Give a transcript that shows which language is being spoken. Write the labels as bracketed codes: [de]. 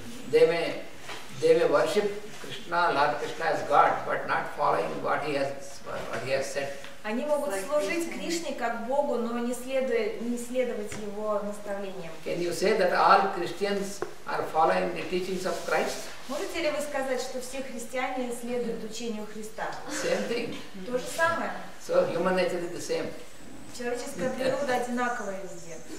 [en] They may worship Krishna, Lord Krishna as God, but not following what he has said. [ru] Они могут служить Кришне как Богу, но не следовать его наставлениям. [en] Can you say that all Christians are following the teachings of Christ? [ru] Можете ли вы сказать, что все христиане следуют учению Христа? [en] Same thing. [ru] То же самое. [en] So human nature is the same. [ru] Человеческая природа одинаковая везде.